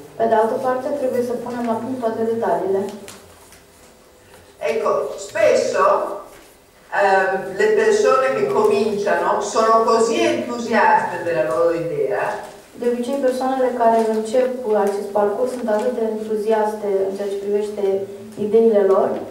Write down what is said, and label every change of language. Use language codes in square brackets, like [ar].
[ro] Pe de altă parte trebuie să punem la punct toate detaliile. [it] Ecco, spesso le persone che cominciano sono così entusiaste della loro idea. [ro] De obicei, persoanele care încep acest parcurs sunt atât de entuziaste în ceea ce privește ideile lor.